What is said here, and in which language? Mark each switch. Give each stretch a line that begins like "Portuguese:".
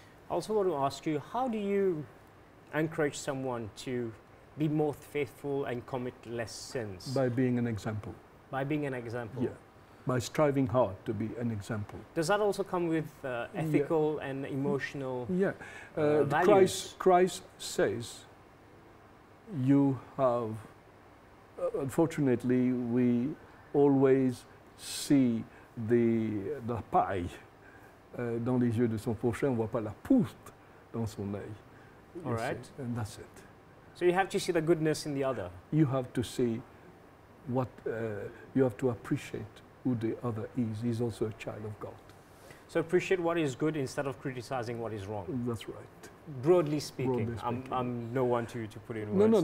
English: I also want to ask you, how do you encourage someone to be more faithful and commit less sins? By being an example. By being an example. Yeah. By striving hard to be an example. Does that also come with ethical and emotional values? Christ says, you have, unfortunately, we always see the
French: paille dans les yeux de son prochain, on ne voit pas la poutre dans son œil.
English: All right. And that's it. So you have to see the goodness in the other. You have to see what, you have to appreciate who the other is. He's also a child of God. So appreciate what is good instead of criticizing what is wrong. That's right. Broadly speaking. I'm no one to put it in words.